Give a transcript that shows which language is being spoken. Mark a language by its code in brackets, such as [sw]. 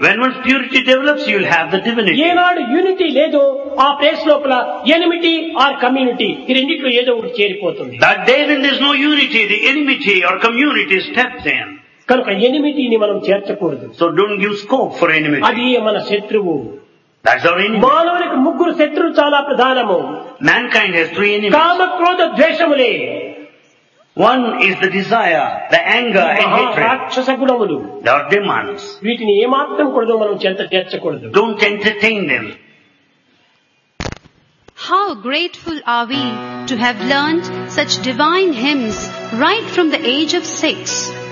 [en] When one's purity develops, you will have the divinity. [te] ఏనాడు unity లేదు ఆ place లోపల [en] enmity or community [te] ఈ రెండిట్లో ఏదో ఒకటి చేరిపోతుంది. [en] That day when there's no unity, the enmity or community steps in. [te] కనుక ఎనిమిటీని మనం చేర్చకూడదు. [en] So don't give scope for enmity. [te] అది మన శత్రువు. [en] That's our enemy. [te] మానవునికి ముగ్గురు శత్రువులు చాలా ప్రధానము. [en] Mankind has three enemies. [te] కామ క్రోధ ద్వేషములే. [en] One is the desire, the anger and hatred. [te] రాక్షసగుణములు. [en] They are demons. [te] వీటిని ఏ మాత్రం కూడా మనం చేర్చకూడదు. [en] Don't entertain them. How grateful are we to have learned such divine hymns right from the age of 6.